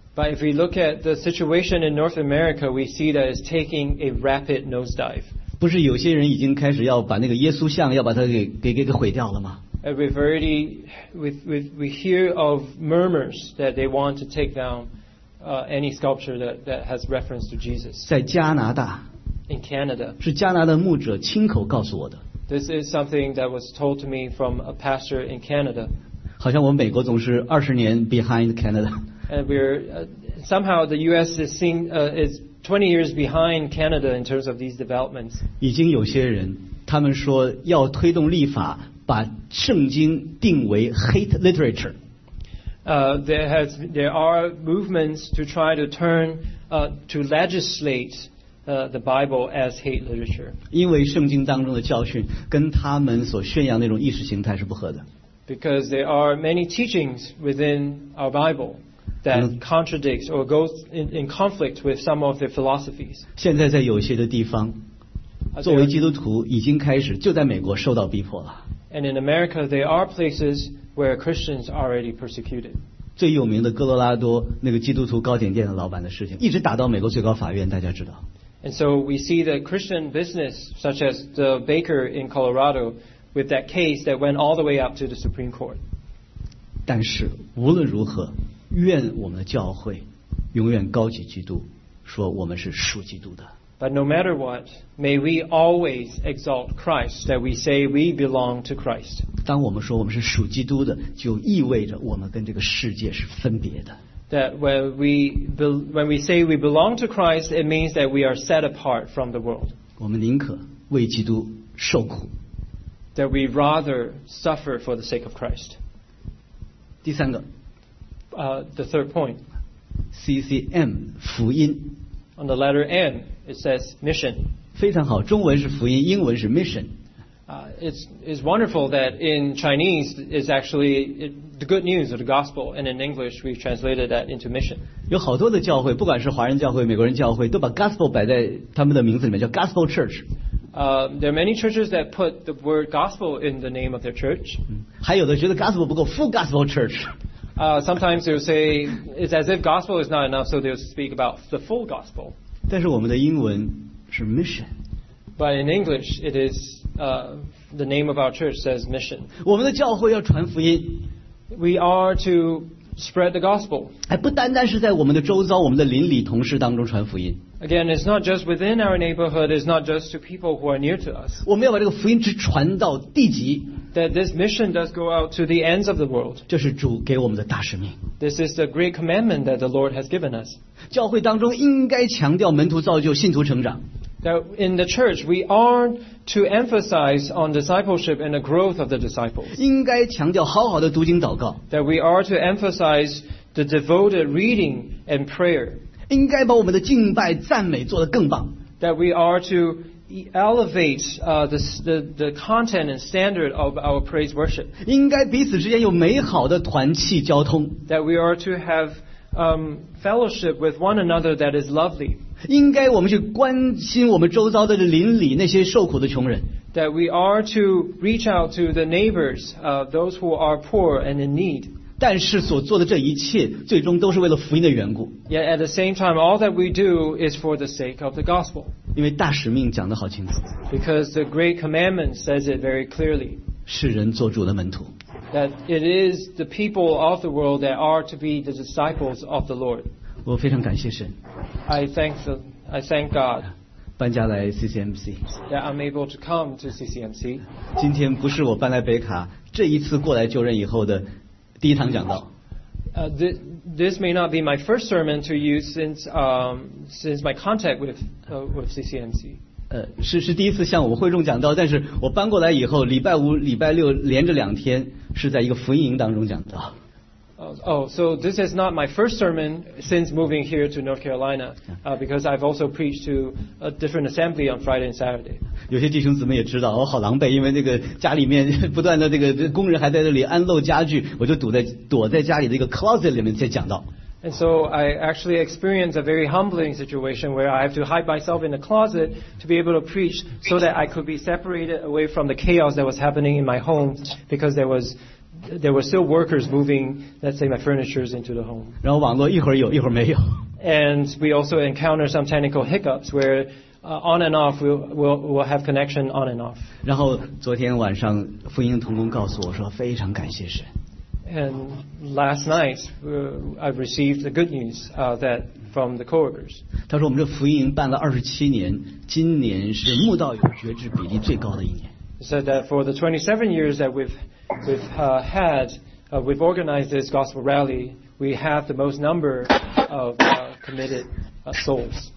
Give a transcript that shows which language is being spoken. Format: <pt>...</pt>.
<en>But if we look at the situation in North America, we see that it's taking a rapid nosedive.</en> <zh>不是有些人已经开始要把那个耶稣像要把它给毁掉了吗？</zh> <en>And we've already we hear of murmurs that they want to take down. Any sculpture that has reference to Jesus.</en> <zh>在加拿大</zh> <en>in Canada,</en> <zh>是加拿大牧者亲口告诉我的。</zh> <en>This is something that was told to me from a pastor in Canada.</en> <zh>好像我们美国总是二十年</zh> <en>behind Canada. And somehow the U.S. is 20 years behind Canada in terms of these developments.</en> <zh>已经有些人，他们说要推动立法，把圣经定为</zh> <en>hate literature. There are movements to try to turn to legislate the Bible as hate literature.</en> <zh>因为圣经当中的教训跟他们所宣扬那种意识形态是不合的。</zh> <en>Because there are many teachings within our Bible that contradicts or goes in conflict with some of their philosophies.</en> <zh>现在在有些的地方，作为基督徒已经开始就在美国受到逼迫了。</zh> <en>And in America, there are places. Where Christians are already persecuted.</en> <zh>最有名的哥罗拉多那个基督徒糕点店的老板的事情，一直打到美国最高法院，大家知道。</zh> <en>And so we see the Christian business, such as the baker in Colorado, with that case that went all the way up to the Supreme Court.</en> <zh>但是无论如何，愿我们的教会永远高举基督，说我们是属基督的。</zh> <en>But no matter what, may we always exalt Christ, that we say we belong to Christ.</en> <zh>当我们说我们是属基督的，就意味着我们跟这个世界是分别的。</zh> <en>That when we say we belong to Christ, it means that we are set apart from the world.</en> <zh>我们宁可为基督受苦。</zh> <en>That we rather suffer for the sake of Christ.</en> <zh>第三个。</zh> <en>The third point.</en> <zh>CCM, 福音。</zh> <en>On the letter M, it says mission.</en> <zh>非常好，中文是福音，英文是 mission。</zh> <en>It's wonderful that in Chinese is actually the good news of the gospel, and in English we've translated that into mission.</en> <zh>有好多的教会，不管是华人教会、美国人教会，都把 gospel 摆在他们的名字里面，叫 gospel church。</zh> <en>There are many churches that put the word gospel in the name of their church.</en> <zh>还有的觉得 gospel 不够 ，</zh> <en>full gospel church。 Sometimes they'll say it's as if gospel is not enough, so they'll speak about the full gospel.</en> <zh>但是我们的英文是 mission。</zh> <en>But in English, it is the name of our church says mission.</en> <zh>我们的教会要传福音。</zh> <en>We are to spread the gospel.</en> <zh>哎，不单单是在我们的周遭、我们的邻里、同事当中传福音。</zh> <en>Again, it's not just within our neighborhood. It's not just to people who are near to us.</en> <zh>我们要把这个福音之传到地极。</zh> <en>That this mission does go out to the ends of the world.</en> <zh>这是主给我们的大使命。</zh> <en>This is the great commandment that the Lord has given us.</en> <zh>教会当中应该强调门徒造就、信徒成长。</zh> <en>Now, in the church, we are to emphasize on discipleship and the growth of the disciples.</en> <zh>应该强调好好的读经祷告。</zh> <en>That we are to emphasize the devoted reading and prayer.</en> <zh>应该把我们的敬拜赞美做得更棒。</zh> <en>That we are to elevate the content and standard of our praise worship.</en> <zh>应该彼此之间有美好的团契交通。</zh> <en>That we are to have fellowship with one another that is lovely.</en> <zh>应该我们去关心我们周遭的邻里那些受苦的穷人。</zh> <en>That we are to reach out to the neighbors, those who are poor and in need.</en> <zh>但是所做的这一切，最终都是为了福音的缘故。</zh> <en>Yet at the same time, all that we do is for the sake of the gospel.</en> <zh>因为大使命讲得好清楚。</zh> <en>Because the great commandment says it very clearly.</en> <zh>是人做主的门徒。</zh> <en>That it is the people of the world that are to be the disciples of the Lord.</en> <zh>我非常感谢神。</zh> <en>I thank God.</en> <zh>搬家来 CCMC.</zh> <en>That I'm able to come to CCMC.</en> <zh>今天不是我搬来北卡这一次过来就任以后的第一堂讲道。</zh> <en>This may not be my first sermon to you since my contact with CCMC.</en> <zh>是第一次向我们会众讲道，但是我搬过来以后，礼拜五、礼拜六连着两天是在一个福音营当中讲道。</zh> <en>So this is not my first sermon since moving here to North Carolina, because I've also preached to a different assembly on Friday and Saturday.</en> <zh>有些弟兄姊妹也知道，我好狼狈，因为那个家里面不断的这个工人还在这里安漏家具，我就躲在家里的一个 closet 里面在讲道。</zh> <en>And so I actually experienced a very humbling situation where I have to hide myself in a closet to be able to preach so that I could be separated away from the chaos that was happening in my home because there were still workers moving, let's say, my furniture into the home.</en> <zh>然后网络一会儿有，一会儿没有。</zh> <en>And we also encounter some technical hiccups where on and off we'll have connection on and off.</en> <zh>然后昨天晚上福音同工告诉我说非常感谢神。</zh> <en>And last night, I received the good news that from the coworkers.</en> <zh>他说我们这福音营办了27年，今年是慕道友觉知比例最高的一年。</zh> <en>He said that for the 27 years that we've organized this gospel rally, we have the most number of committed souls.</en>